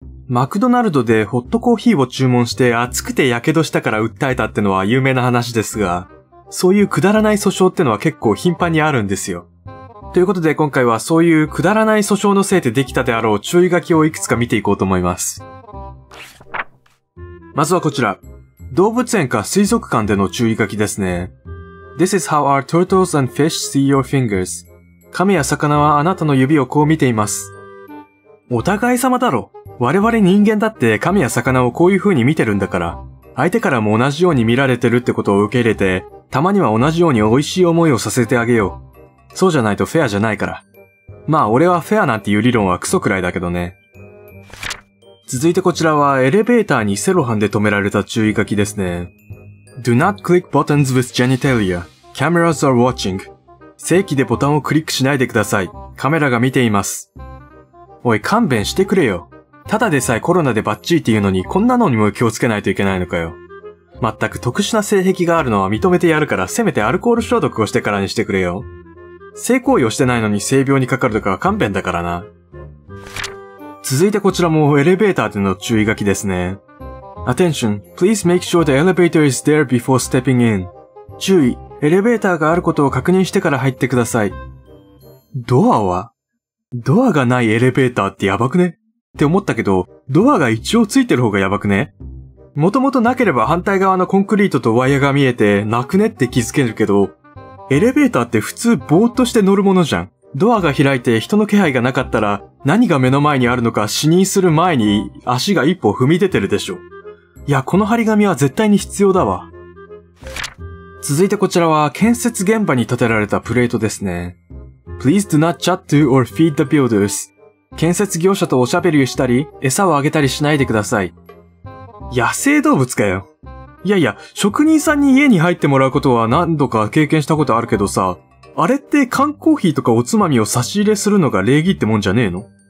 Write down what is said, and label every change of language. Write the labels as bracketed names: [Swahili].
[Japanese] マクドナルドでホットコーヒーを注文して熱くて火傷したから訴えたってのは有名な話ですが、そういうくだらない訴訟ってのは結構頻繁にあるんですよ。ということで今回はそういうくだらない訴訟のせいでできたであろう注意書きをいくつか見ていこうと思います。まずはこちら。動物園か水族館での注意書きですね。 [English] This is how our turtles and fish see your fingers. [Japanese] 亀や魚はあなたの指をこう見ています。お互い様だろ。我々人間だって亀や魚をこういう風に見てるんだから、相手からも同じように見られてるってことを受け入れて、たまには同じように美味しい思いをさせてあげよう。そうじゃないとフェアじゃないから。まあ俺はフェアなんていう理論はクソくらいだけどね。続いてこちらはエレベーターにセロハンで止められた注意書きですね。 [English] Do not click buttons with genitalia. Cameras are watching. [Japanese] 正規でボタンをクリックしないでください。カメラが見ています。おい勘弁してくれよ。ただでさえコロナでバッチリっていうのにこんなのにも気をつけないといけないのかよ。まったく特殊な性癖があるのは認めてやるからせめてアルコール消毒をしてからにしてくれよ。性行為をしてないのに性病にかかるとかは勘弁だからな。続いてこちらもエレベーターでの注意書きですね。 [English] Attention, please make sure the elevator is there before stepping in. [Japanese] 注意、エレベーターがあることを確認してから入ってください。ドアは？ドアがないエレベーターってやばくね？って思ったけど、ドアが一応ついてる方がやばくね？もともとなければ反対側のコンクリートとワイヤが見えて、なくねって気づけるけど、エレベーターって普通ぼーっとして乗るものじゃん。ドアが開いて人の気配がなかったら、何が目の前にあるのか視認する前に足が一歩踏み出てるでしょ。いや、この張り紙は絶対に必要だわ。続いてこちらは建設現場に建てられたプレートですね。 [English] Please do not chat to or feed the builders. [Japanese] 建設業者とおしゃべりしたり、餌をあげたりしないでください。野生動物かよ。いやいや、職人さんに家に入ってもらうことは何度か経験したことあるけどさ、あれって缶コーヒーとかおつまみを差し入れするのが礼儀ってもんじゃねえの？